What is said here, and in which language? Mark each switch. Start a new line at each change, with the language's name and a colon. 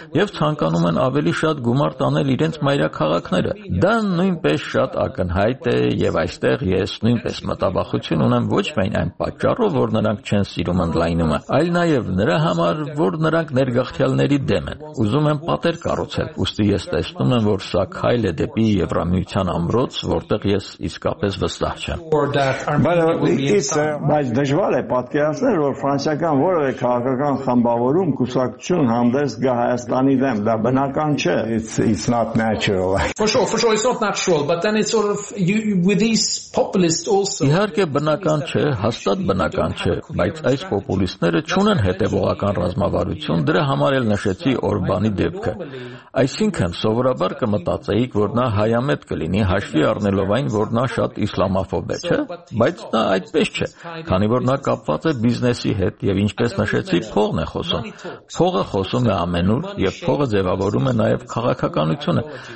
Armenian: եւ ցանկանում են ավելի շատ գումար տանել իրենց մայրաքաղաքները։ Դա նույնպես շատ ակնհայտ է եւ այստեղ ես նույնպես մտահոգություն ունեմ ոչ միայն այն պատճառով, որ նրանք չեն սիրում ընդլայնումը, այլ նաեւ նրա համար, որ նրանք ներգաղթյալների դեմ են։ Ուզում եմ պատեր կառուցել, ուստի ես տեսնում եմ, որ սա քայլ է դեպի Եվրամիության ամրոց, որտեղ ես իսկապես վստահ չեմ։ Բայց դժվար է պատկերացնել, որ ֆրանսիական որևէ քաղաքական խմբավորում կուսակցություն հանդես գա Հայաստանի դեմ, դա բնական չէ։
English: It's not natural. For sure, it's not natural, but then it's sort of with these populists also.
Armenian: Իհարկե բնական չէ, հաստատ բնական չէ, բայց այս պոպուլիստները չունեն հետևողական ռազմավարություն, դրա համար էլ նշեցի Օրբանի դեպքը։ Այսինքն, սովորաբար կմտածեիք, որ նա հայամետ կլինի, հաշվի առնելով այն, որ նա շատ իսլամաֆոբ է, չէ՞, բայց նա այդպես չէ, քանի որ նա կապված է բիզնեսի հետ և, ինչպես նշեցի, փողն է խոսում։ Փողը խոսում է ամենուր և փողը ձևավորում է նաև քաղաքականությունը։